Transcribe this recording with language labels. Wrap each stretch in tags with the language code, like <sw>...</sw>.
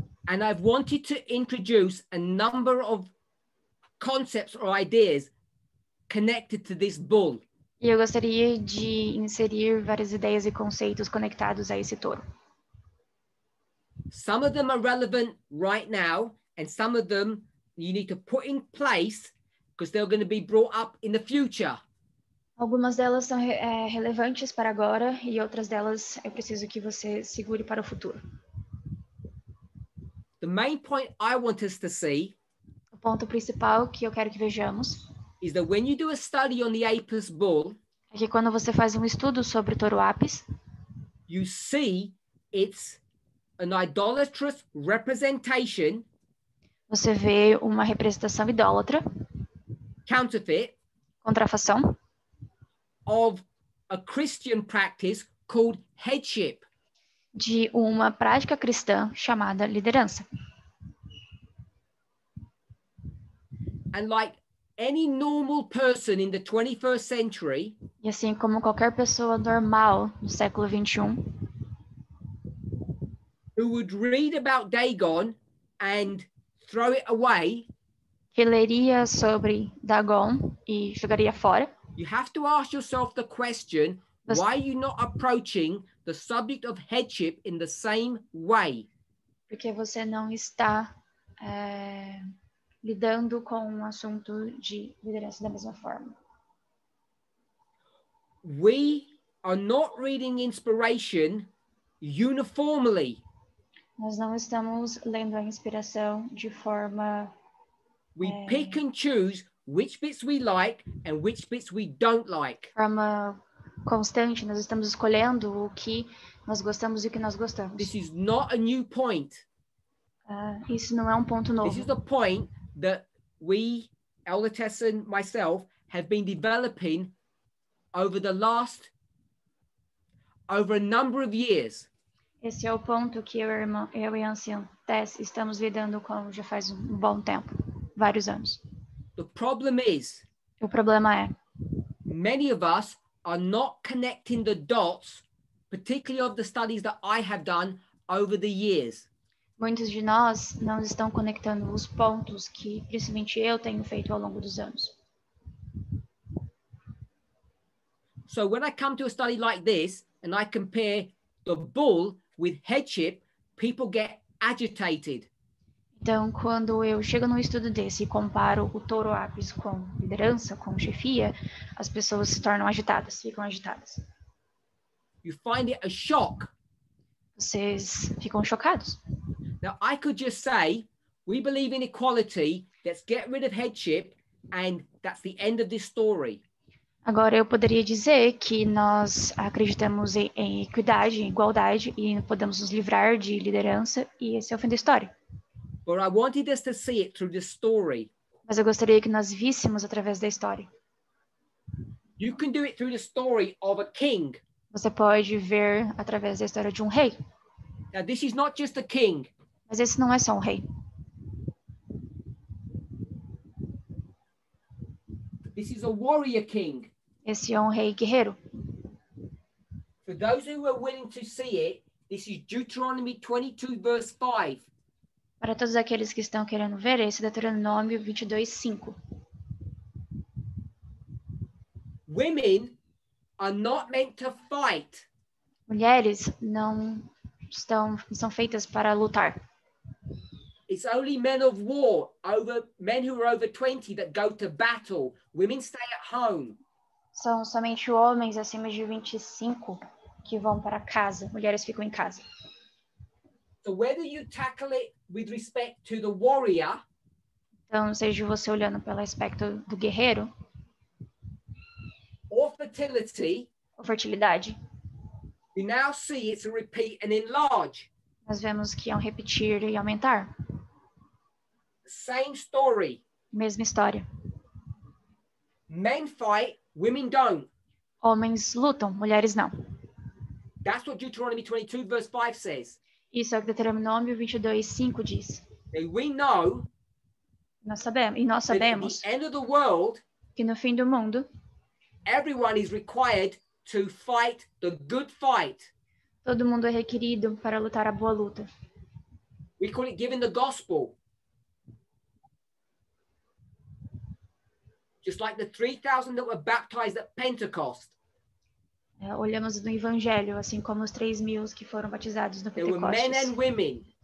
<en>And I've wanted to introduce a number of concepts or ideas connected to this bull.</en> <pt>E eu gostaria de inserir várias ideias e conceitos conectados a esse touro.</pt> <en>Some of them are relevant right now, and some of them you need to put in place because they're going to be brought up in the future.</en> <pt>Algumas delas são relevantes para agora, e outras delas é preciso que você segure para o futuro.</pt> <en>The main point I want us to see,</en> <pt>o ponto principal que eu quero que vejamos,</pt> <en>is that when you do a study on the Apis bull,</en> <pt>é que quando você faz estudo sobre o touro Apis,</pt> <en>you see it's an idolatrous representation.</en> <pt>Você vê uma representação idólatra.</pt> <en>Counterfeit.</en> <pt>Contrafação.</pt> <en>Of a Christian practice called headship.</en> <pt>De uma prática cristã chamada liderança.</pt> <en>And like any normal person in the 21st century.</en> <pt>E assim como qualquer pessoa normal no século 21.</pt> <en>Who would read about Dagon and throw it away?</en> <pt>Que leria sobre Dagon e jogaria fora?</pt> <en>You have to ask yourself the question: why are you not approaching the subject of headship in the same way?</en> <pt>Porque você não está lidando com o assunto de liderança da mesma forma?</pt> <en>We are not reading inspiration uniformly.</en> <pt>Nós não estamos lendo a inspiração de forma...</pt> <en>We pick and choose which bits we like and which bits we don't like. From</en> <pt>constante, nós estamos escolhendo o que nós gostamos e o que nós gostamos.</pt> <en>This is not a new point.</en> <pt>Isso não é um ponto novo.</pt> <en>This is the point that we, Elder Tess and myself, have been developing over the last, over a number of years.</en> <pt>Esse é o ponto que eu e a anciã Tess estamos lidando com já faz um bom tempo, vários anos.</pt> <en>The problem is,</en> <pt>o problema é,</pt> <en>many of us are not connecting the dots, particularly of the studies that I have done over the years.</en> <pt>Muitos de nós não estão conectando os pontos que, principalmente, eu tenho feito ao longo dos anos.</pt> <en>So when I come to a study like this and I compare the bull with headship, people get agitated.</en> <pt>Então, quando eu chego num estudo desse e comparo o touro apis com liderança, com chefia, as pessoas se tornam agitadas, ficam agitadas.</pt> <en>You find it a shock.</en> <pt>Vocês ficam chocados.</pt> <en>Now, I could just say, we believe in equality, let's get rid of headship, and that's the end of this story.</en> <pt>Agora, eu poderia dizer que nós acreditamos em equidade, em igualdade, e podemos nos livrar de liderança, e esse é o fim da história.</pt> <en>But I wanted us to see it through the story.</en> <pt>Mas eu gostaria que nós víssemos através da história.</pt> <en>You can do it through the story of a king.</en> <pt>Você pode ver através da história de um rei.</pt> <en>Now, this is not just a king.</en> <pt>Mas esse não é só um rei.</pt> <en>This is a warrior king.</en> <pt>Esse é um rei guerreiro.</pt> <en>For those who are willing to see it, this is Deuteronomy 22, verse 5.</en> <pt>Para todos aqueles que estão querendo ver, esse é Deuteronômio 22, 5.</pt> <en>Women are not meant to fight.</en> <pt>Mulheres não estão, são feitas para lutar.</pt> <en>It's only men of war, over men who are over 20, that go to battle. Women stay at home.</en> <pt>São somente homens acima de 25 que vão para casa. Mulheres ficam em casa.</pt> <en>So whether you tackle it with respect to the warrior,</en> <pt>então, seja você olhando pelo aspecto do guerreiro,</pt> <en>or fertility,</en> <pt>ou fertilidade,</pt> <en>we now see it's a repeat and enlarge.</en> <pt>Nós vemos que é um repetir e aumentar.</pt> <en>Same story.</en> <pt>Mesma história.</pt> <en>Men fight, women don't.</en> <pt>Homens lutam, mulheres não.</pt> <en>That's what Deuteronomy 22 verse 5 says.</en> <pt>Isso é o que Deuteronômio 22:5 diz.</pt> <en>And we know,</en> <pt>nós sabemos</pt> <en>at the end of the world,</en> <pt>que no fim do mundo,</pt> <en>everyone is required to fight the good fight.</en> <pt>Todo mundo é requerido para lutar a boa luta.</pt> <en>We call it giving the gospel. Just like the 3,000 that were baptized at Pentecost.</en> <pt>Olhamos no Evangelho, assim como os 3,000 que foram batizados no Pentecostes.</pt>